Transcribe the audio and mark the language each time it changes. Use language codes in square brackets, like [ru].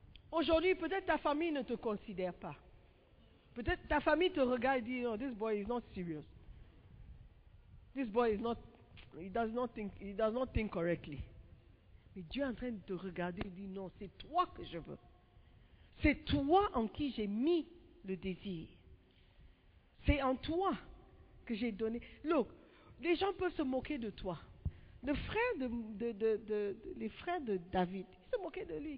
[fr] Aujourd'hui, peut-être ta famille ne te considère pas. Peut-être ta famille te regarde et dit, oh, [en] this boy is not serious. This boy is not, he does not think correctly. [fr] Mais Dieu est en train de te regarder et dit, non, c'est toi que je veux. C'est toi en qui j'ai mis le désir. C'est en toi que j'ai donné. [en] Look, [fr] les gens peuvent se moquer de toi. Le frère les frères de David, ils se moquaient de lui.